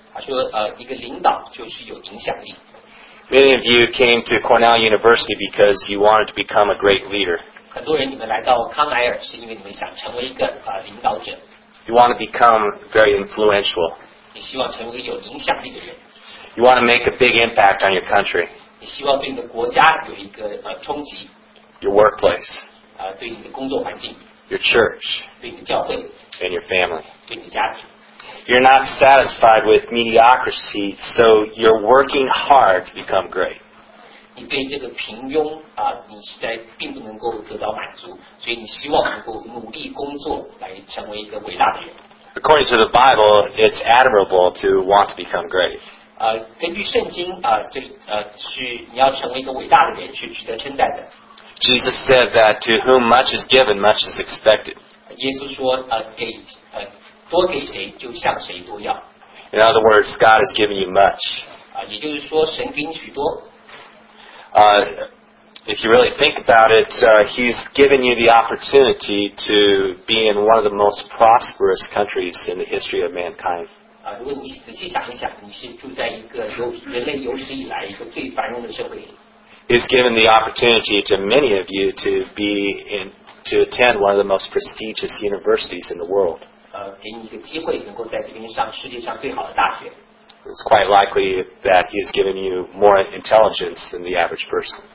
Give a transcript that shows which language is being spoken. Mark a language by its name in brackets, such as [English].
[Chinese] 他说一个领导就是有影响力。 [English] Many of you came to Cornell University because you wanted to become a great leader. [Chinese] 很多人你们来到康奈尔是因为你们想成为一个领导者。 [English] You want to become very influential. [Chinese] 你希望成为有影响力的人。 [English] You want to make a big impact on your country. [Chinese] 你希望对你的国家有一个冲击。 [English] Your workplace. [Chinese] 对你的工作环境。 [English] Your church. [Chinese] 对你的教会。 [English] And your family. [Chinese] 对你的家庭。 [English] You're not satisfied with mediocrity, so you're working hard to become great. [Chinese] 你对这个平庸你实在并不能够得到满足，所以你希望能够努力工作来成为一个伟大的人。 [English] According to the Bible, it's admirable to want to become great. [Chinese] 根据圣经是你要成为一个伟大的人是值得称赞的。 [English] Jesus said that to whom much is given, much is expected. [Chinese] 耶稣说多给谁就向谁多要。 [English] In other words, God has given you much. [Chinese] 也就是说神给你许多。 [English] If you really think about it, he's given you the opportunity to be in one of the most prosperous countries in the history of mankind. [Chinese] 如果你仔细想一想，你是住在一个人类有史以来一个最繁荣的社会。 [English] He's given the opportunity to many of you to be in to attend one of the most prestigious universities in the world. It's quite likely that he has given you more intelligence than the average person.